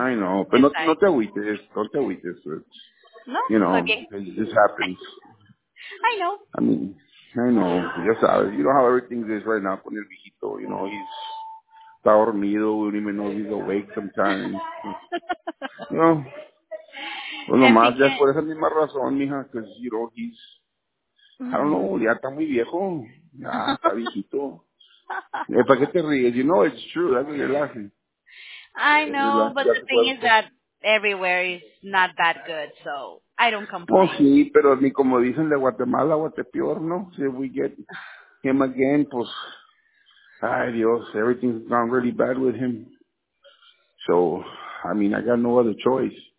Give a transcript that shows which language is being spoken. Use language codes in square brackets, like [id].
[en] I know, but [es] no te agüites. No te agüites. No, [en] you know, okay. This happens. I know. I mean, I know. You know how everything is right now [es] con el viejito. [en] You know, he's... [es] Está dormido. [en] We don't even know if he's awake sometimes. You know. [es] Well, no más, ya por esa misma razón, mija, que es Giro, [en] he's, I don't know, [es] ya está muy viejo, ya está viejito. ¿Para qué te ríes? [en] You know, it's true, that's what you're laughing. I know, but the thing is that everywhere is not that good, so I don't complain. [es] Pues sí, pero ni como dicen de Guatemala, Guatepeor, ¿no? [en] So if we get him again, [es] pues, ay Dios, [en] everything's gone really bad with him. So, I mean, I got no other choice.